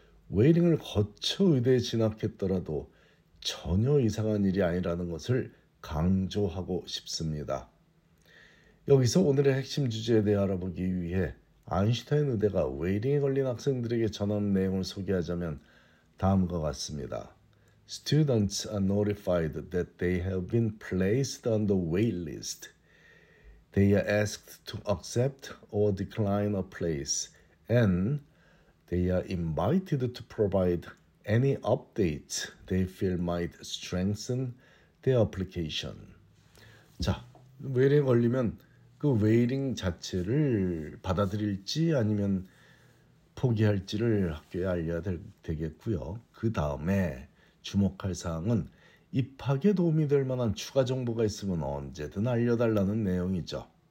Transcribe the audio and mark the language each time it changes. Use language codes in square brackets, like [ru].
[ko] 웨이링을 거쳐 의대에 진학했더라도 전혀 이상한 일이 아니라는 것을 강조하고 싶습니다. 여기서 오늘의 핵심 주제에 대해 알아보기 위해 아인슈타인 의대가 웨이링에 걸린 학생들에게 전한 내용을 소개하자면 다음과 같습니다. [en] Students are notified that they have been placed on the wait list. They are asked to accept or decline a place, and they are invited to provide any updates they feel might strengthen their application. [ko] 자, 웨이링에 걸리면 그 웨이링 자체를 받아들일지 아니면 포기할지를 학교에 알려야 되겠고요. 그 다음에 주목할 사항은 입학에 도움이 될 만한 추가 정보가 있으면 언제든 알려달라는 내용이죠.